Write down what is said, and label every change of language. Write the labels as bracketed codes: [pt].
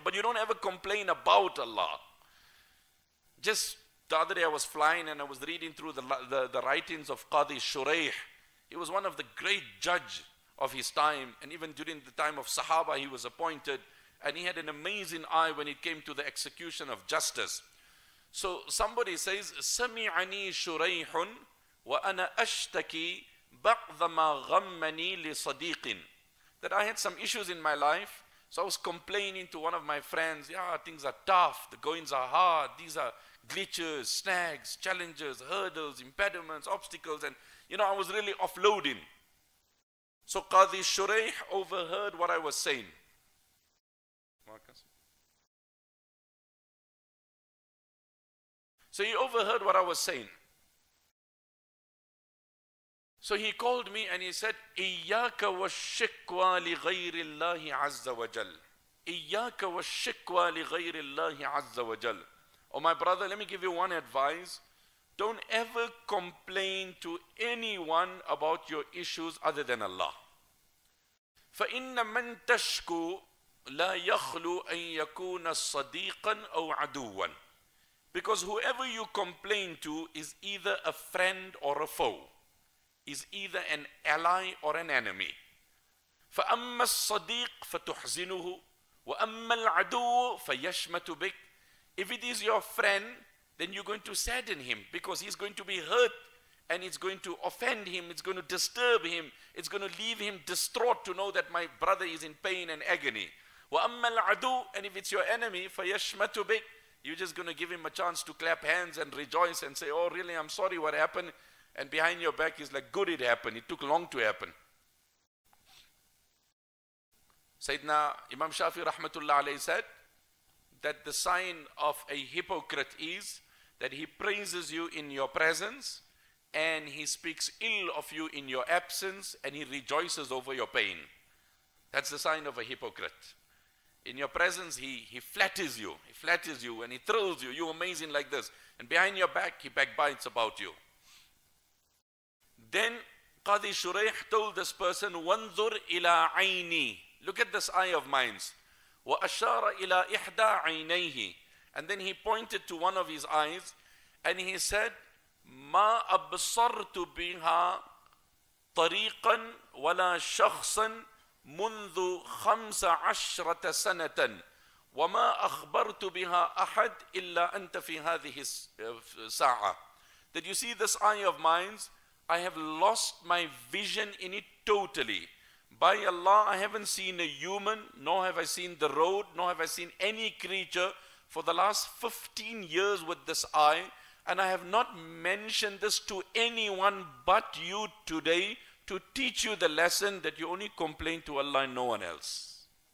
[en] But you don't ever complain about Allah. Just the other day I was flying and I was reading through the writings of Qadi Shuraih. He was one of the great judge of his time. And even during the time of Sahaba, he was appointed. And he had an amazing eye when it came to the execution of justice. [ar] So somebody says, سَمِعَنِي شُرَيْحٌ وَأَنَا أَشْتَكِي بَعْضَ مَا غَمَّنِي لِصَدِيقٍ. [en] That I had some issues in my life. So I was complaining to one of my friends. Yeah, things are tough. The goings are hard. These are glitches, snags, challenges, hurdles, impediments, obstacles. And, you know, I was really offloading. So Qadi Shuraih overheard what I was saying. Marcus. So he overheard what I was saying. [ar] So he called me and he said, إِيَّاكَ وَالشِّكْوَى لِغَيْرِ اللَّهِ عَزَّ وَجَلْ. إِيَّاكَ وَالشِّكْوَى لِغَيْرِ اللَّهِ عَزَّ وَجَلْ. [en] Oh my brother, let me give you one advice. Don't ever complain to anyone about your issues other than Allah. [ar] فَإِنَّ مَنْ تَشْكُو لا يخلو أن يكون صديقا أو عدوا. [en] Because whoever you complain to is either a friend or a foe, is either an ally or an enemy. [ar] فأما الصديق فتحزنه وأما العدو فيشمت بك. [en] If it is your friend, then you're going to sadden him because he's going to be hurt and it's going to offend him, it's going to disturb him, it's going to leave him distraught to know that my brother is in pain and agony. [ar] وأما العدو, [en] and if it's your enemy, [ar] فيشمت بك, [en] you're just going to give him a chance to clap hands and rejoice and say, oh really, I'm sorry what happened. And behind your back is like, good it happened, it took long to happen. Sayyidina Imam Shafi rahmatullah alayhi said that the sign of a hypocrite is that he praises you in your presence and he speaks ill of you in your absence and he rejoices over your pain. That's the sign of a hypocrite. In your presence, he flatters you and he thrills you. You're amazing like this. And behind your back, he backbites about you. Then Qadi Shuraih told this person, [ar] وَانْظُرْ إِلَىٰ عَيْنِي. [en] Look at this eye of mine. [ar] وَأَشَارَ إِلَىٰ إِحْدَىٰ عَيْنَيْهِ. [en] And then he pointed to one of his eyes and he said, [ar] مَا أَبْصَرْتُ بِهَا طَرِيقًا وَلَا شَخْصًا منذ 15 سنة وما أخبرت بها أحد إلا أنت في هذه الساعة. [en] Did you see this eye of mine? I have lost my vision in it totally. By Allah, I haven't seen a human, nor have I seen the road, nor have I seen any creature for the last 15 years with this eye. And I have not mentioned this to anyone but you today to teach you the lesson that you only complain to Allah and no one else.